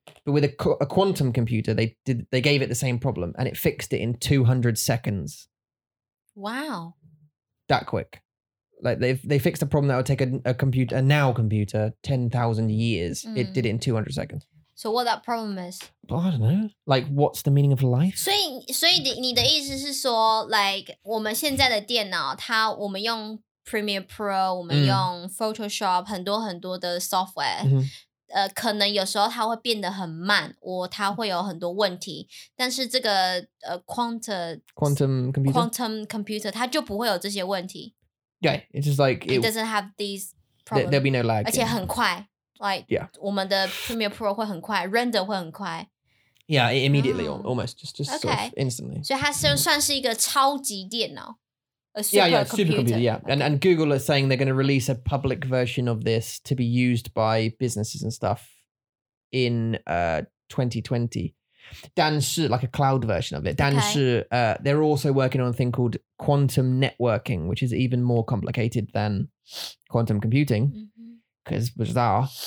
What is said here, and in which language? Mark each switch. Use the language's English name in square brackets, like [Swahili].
[English] But with a quantum computer, they gave it the same problem and it fixed it in 200 seconds. Wow. That quick. Like they fixed a problem that would take a computer, 10,000 years. Mm. It did it in 200 seconds. So what that problem is? Well, I don't know. Like, what's the meaning of life? [Chinese] 所以你的意思是说, like, 我们现在的电脑, 它我们用 Premiere Pro, 我们用 Photoshop, 很多很多的 software,可能有时候它会变得很慢，或它会有很多问题，但是这个 [English] quantum computer, [Chinese] 它就不会有这些问题。 [English] Yeah, it's just like, it doesn't have these problems. There'll be no lag. [Chinese] 而且很快 like, [English] yeah. [Chinese] 我们的 Premiere Pro 会很快 ,render 会很快。 [English] Yeah, immediately,、oh. almost, just、okay. sort of instantly. [Chinese] 所以它算是一个超级电脑。 [English] Supercomputer, yeah. And Google is saying they're going to release a public version of this to be used by businesses and stuff in 2020. [Chinese] 但是, [English] like a cloud version of it. 但是, okay. They're also working on a thing called quantum networking, which is even more complicated than quantum computing, because mm-hmm. bizarre.